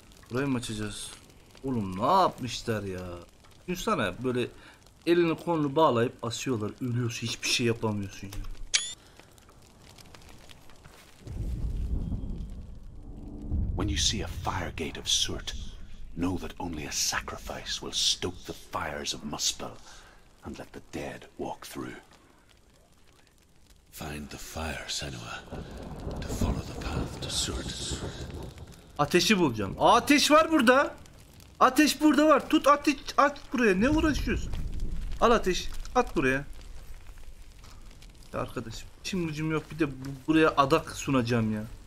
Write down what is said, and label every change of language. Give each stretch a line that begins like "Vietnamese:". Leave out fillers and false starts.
Turkish: Burayı mı açacağız? Oğlum ne yapmışlar ya? Düşünsene böyle elini kolunu bağlayıp asıyorlar, ölüyorsun, hiçbir şey yapamıyorsun ya.
English: When you see a fire gate of Surt, know that only a sacrifice will stoke the fires of Muspel and let the dead walk through. Find the fire, Senua, to follow the path to Surt.
Turkish: Ateşi bulacağım. Ateş var burada. Ateş burada var. Tut ateş, at buraya. Ne uğraşıyorsun? Al ateş, at buraya. Ya arkadaşım, işim gücüm yok. Bir de buraya adak sunacağım ya.